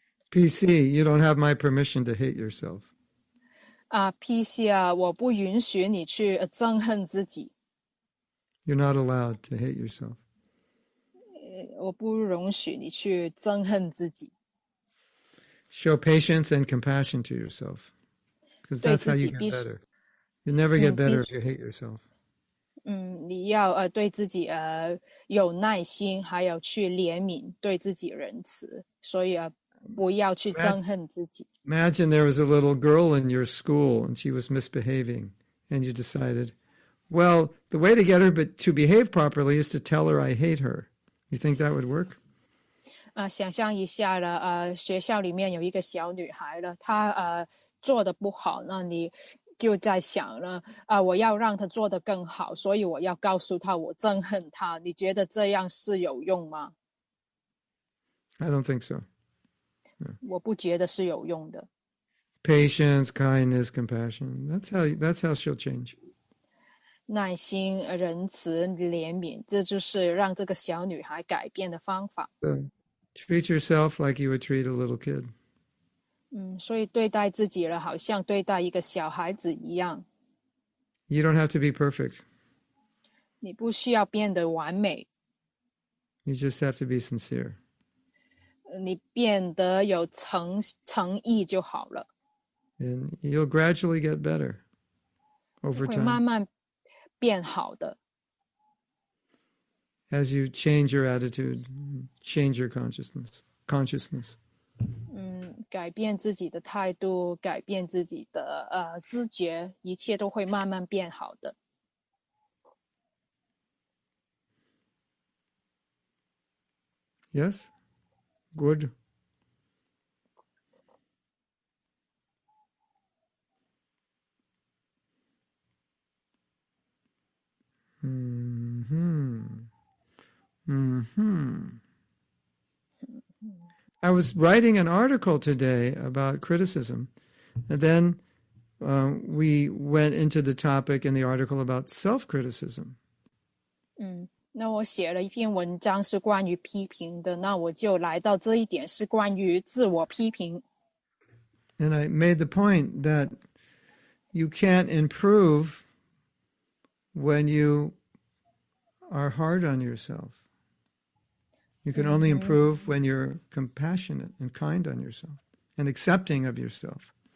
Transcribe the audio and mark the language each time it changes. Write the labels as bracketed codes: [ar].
[en] PC, you don't have my permission to hate yourself. [zh] PC, 我不允许你去憎恨自己。 [en] You're not allowed to hate yourself. [zh] 我不容许你去憎恨自己。 [en] Show patience and compassion to yourself. Because that's how you get better. You never get better if you hate yourself. [zh] 你要对自己有耐心，还有去怜悯，对自己仁慈，所以不要去憎恨自己。 [en] Imagine there was a little girl in your school and she was misbehaving, and you decided, well, the way to get her to behave properly is to tell her I hate her. You think that would work? [zh] 想象一下了，学校里面有一个小女孩了，她做得不好，那你就在想了我要让他做得更好，所以我要告诉他我憎恨他，你觉得这样是有用吗？ [en] I don't think so. [zh] 我不觉得是有用的。 [en] Patience, kindness, compassion. That's how she'll change. [zh] 耐心、仁慈、怜悯，这就是让这个小女孩改变的方法。 [en] So, treat yourself like you would treat a little kid. [zh] 所以对待自己了，好像对待一个小孩子一样。 [en] You don't have to be perfect. [zh] 你不需要变得完美。 [en] You just have to be sincere. [zh] 你变得有诚意就好了。 [en] And you'll gradually get better over time. [zh] 会慢慢变好的。 [en] As you change your attitude, change your consciousness. [zh] 改变自己的态度，改变自己的知觉，一切都会慢慢变好的。 [en] Yes, good. Mm-hmm. Mm-hmm. I was writing an article today about criticism, and then we went into the topic in the article about self-criticism. [zh] 那我写了一篇文章是关于批评的，那我就来到这一点是关于自我批评。 [en] And I made the point that you can't improve when you are hard on yourself. You can only improve when you're compassionate and kind on yourself and accepting of yourself.